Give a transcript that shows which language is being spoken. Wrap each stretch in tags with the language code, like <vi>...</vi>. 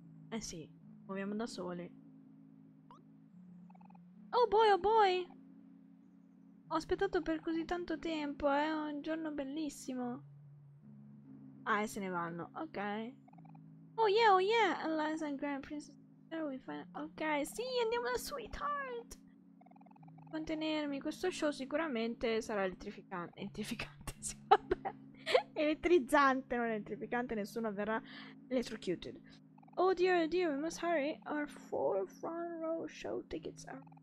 <it>Eh sì, muoviamo da soli.</it> <en>Oh boy, oh boy!</en> <it>Ho aspettato per così tanto tempo, è un giorno bellissimo. Ah, e se ne vanno, ok.</it> <en>Oh yeah, Eliza and Grand Princess. There we find...</en> <it>Ok, sì, andiamo da Sweetheart! Contenermi, questo show sicuramente sarà elettrificante. Elettrificante, sì, vabbè. Elettrizzante, non elettrificante, nessuno verrà electrocuted.</it> <en>Oh dear, we must hurry. Our four front row show tickets are...</en>